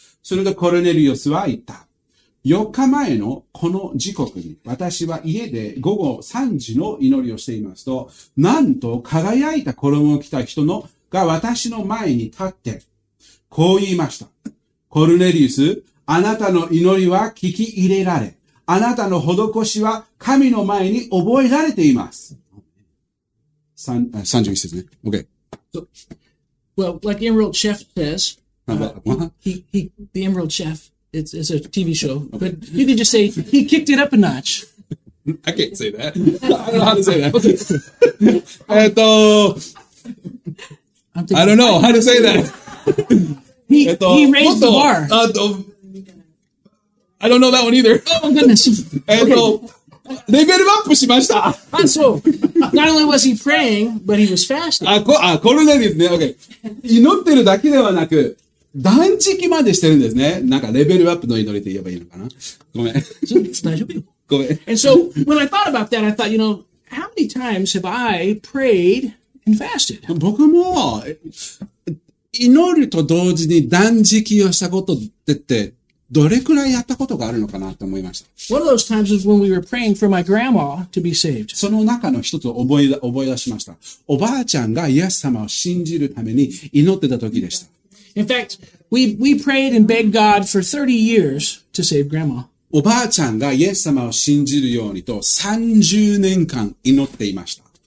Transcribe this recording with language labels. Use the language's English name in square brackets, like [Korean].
[Japanese] それでコルネリオスは言った。4日前のこの時刻に私は家で午後3時の祈りをしていますと、なんと輝いた衣を着た人のが私の前に立って、こう言いました。コルネリウス、あなたの祈りは聞き入れられ。あなたの施しは神の前に覚えられています。 31節ね。OK。 [English] Well, like Emerald Chef says, the Emerald Chef, it's a TV show, but you could just say, he kicked it up a notch. I can't say that. I don't know how to say that. I don't know how to say that. he raised the bar. I don't know that one either. Oh, my goodness. [Japanese] レベルアップしました。あ、そう。 [English] Not only was he praying, but he was fasting. [Japanese] あ、これね、ですね。OK。祈ってるだけではなく、断食までしてるんですね。なんかレベルアップの祈りと言えばいいのかな。ごめん。大丈夫よ。ごめん。 [English] And so, when I thought about that, I thought, you know, how many times have I prayed and fasted? [Japanese] 僕も、祈ると同時に断食をしたことって、どれくらいやったことがあるのかなと思いました。 [English] One of those times was when we were praying for my grandma to be saved. [Japanese] その中の一つを覚え出しました。おばあちゃんがイエス様を信じるために祈ってた時でした。 [English] In fact, we prayed and begged God for 30 years to save grandma. [Japanese] おばあちゃんがイエス様を信じるようにと30年間祈っていました。